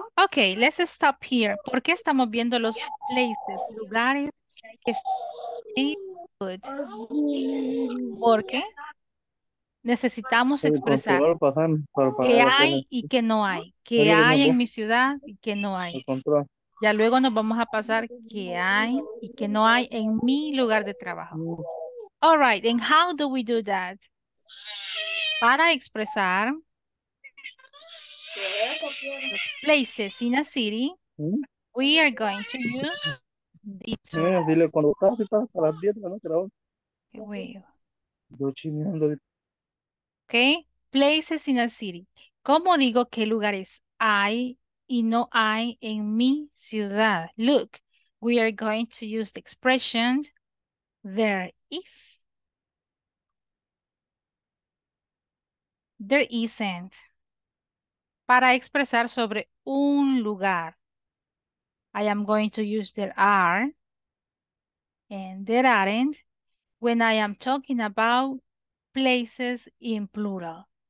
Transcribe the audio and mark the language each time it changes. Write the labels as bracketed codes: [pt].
[en] Ok, let's stop here. [es] ¿Por qué estamos viendo los places, lugares que están? Porque necesitamos expresar qué hay y qué no hay, qué hay en mi ciudad y qué no hay. Ya luego nos vamos a pasar qué hay y qué no hay en mi lugar de trabajo. [en] All right, and how do we do that? [es] Para expresar los [en] places in a city, we are going to use this. [es] Dile cuando estás ocupado para las 10 de la noche, ahora. Qué huevo. Yo chingando. [en] Ok, places in a city. [es] ¿Cómo digo qué lugares hay y no hay en mi ciudad? [en] Look, we are going to use the expression there is. There isn't. [es] Para expresar sobre un lugar. [en] I am going to use there are and there aren't when I am talking about places in plural.